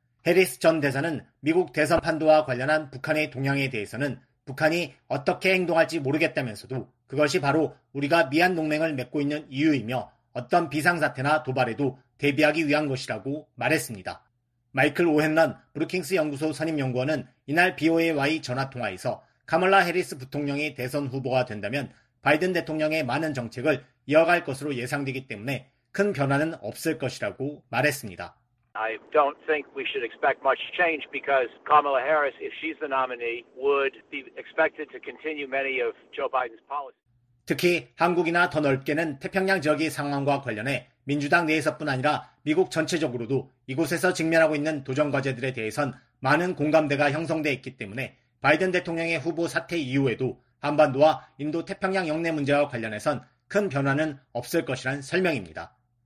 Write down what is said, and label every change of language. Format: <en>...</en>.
<ko>해리스 전 대사는 미국 대선 판도와 관련한 북한의 동향에 대해서는 북한이 어떻게 행동할지 모르겠다면서도 그것이 바로 우리가 미한 동맹을 맺고 있는 이유이며 어떤 비상사태나 도발에도 대비하기 위한 것이라고 말했습니다. 마이클 오헨런 브루킹스 연구소 선임연구원은 이날 BOA와의 전화통화에서 카멀라 해리스 부통령이 대선 후보가 된다면 바이든 대통령의 많은 정책을 이어갈 것으로 예상되기 때문에 큰 변화는 없을 것이라고 말했습니다.</ko> <en>I don't think we should expect much change because Kamala Harris, if she's the nominee, would be expected to continue many of Joe Biden's policies.</en> <ko>특히 한국이나 더 넓게는 태평양 지역의 상황과 관련해 민주당 내에서뿐 아니라 미국 전체적으로도 이곳에서 직면하고 있는 도전 과제들에 대해선 많은 공감대가 형성돼 있기 때문에 바이든 대통령의 후보 사퇴 이후에도 한반도와 인도 태평양 영내 문제와 관련해선 큰 변화는 없을 것이란 설명입니다.</ko>